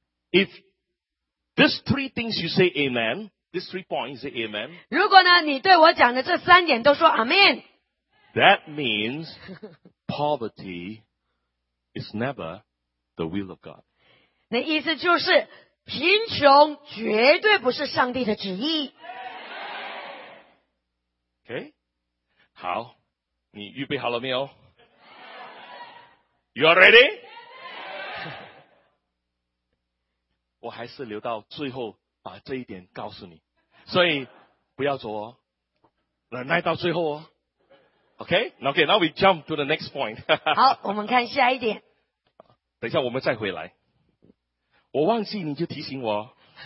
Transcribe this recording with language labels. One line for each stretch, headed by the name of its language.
English: if these three things you say amen, these three points say amen,
Chinese: 如果呢你对我讲的这三点都说 amen,
English: that means poverty is never the will of God.
Chinese: 那意思就是贫穷绝对不是上帝的旨意。 Okay, 好。你预备好了没有？
English: You are ready?
Chinese: 我还是留到最后把这一点告诉你，所以不要走哦，忍耐到最后哦。
English: Okay, now we jump to the next point.
Chinese: 好，我们看下一点。等一下我们再回来，我忘记你就提醒我。